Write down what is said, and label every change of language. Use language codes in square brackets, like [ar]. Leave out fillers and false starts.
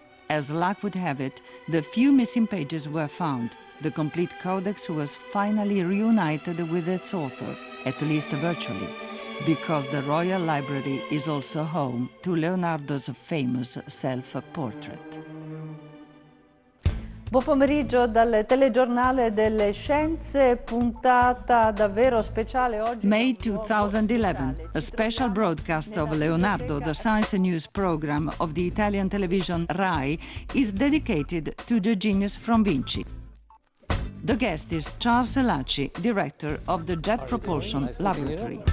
[en] As luck would have it, the few missing pages were found. The complete codex was finally reunited with its author, at least virtually, because the Royal Library is also home to Leonardo's famous self-portrait. [it] Buon pomeriggio dal telegiornale delle scienze, puntata davvero speciale oggi. [en] May 2011, a special broadcast of Leonardo, the science news program of the Italian television RAI, is dedicated to the genius from Vinci. The guest is Charles Elacci, director of the Jet Propulsion Laboratory.